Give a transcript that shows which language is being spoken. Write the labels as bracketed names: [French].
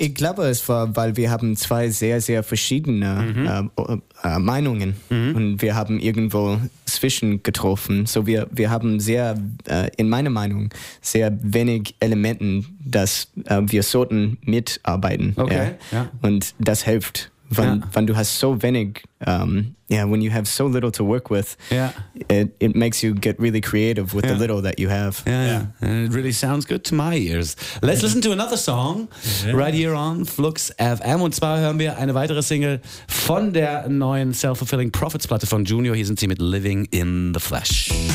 [German] Ich glaube, es war, weil wir haben zwei sehr, sehr verschiedene Meinungen. Mhm. Und wir haben irgendwo zwischen getroffen. So, wir haben sehr, in meiner Meinung, sehr wenig Elementen, dass wir sollten mitarbeiten. Okay. Ja. Und das hilft. Wenn du hast so wenig, [English] when you have so little to work with, it makes you get really creative with the little that you have. Yeah, and it really sounds good to my ears. Let's listen to another song right here on Flux FM. [German] Und zwar hören wir eine weitere Single von der neuen Self-Fulfilling Prophets-Platte von Junior. Hier sind sie mit Living in the Flesh.